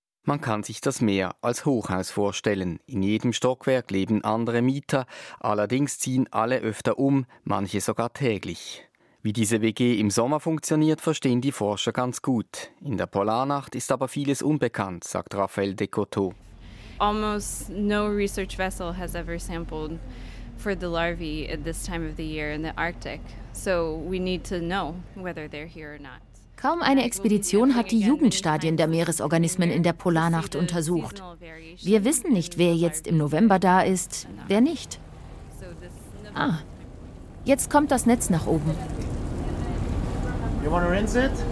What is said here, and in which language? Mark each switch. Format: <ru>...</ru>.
<de>Man kann sich das Meer als Hochhaus vorstellen. In jedem Stockwerk leben andere Mieter, allerdings ziehen alle öfter um, manche sogar täglich. Wie diese WG im Sommer funktioniert, verstehen die Forscher ganz gut. In der Polarnacht ist aber vieles unbekannt, sagt Raphael de Coteau.</de> <en>Almost no research vessel has ever sampled for the larvae at this time of the year in the Arctic. So we need to know whether they're here or not.</en> <de>Kaum eine Expedition hat die Jugendstadien der Meeresorganismen in der Polarnacht untersucht. Wir wissen nicht, wer jetzt im November da ist, wer nicht. Ah, jetzt kommt das Netz nach oben.</de> <en>You want to rinse it?</en>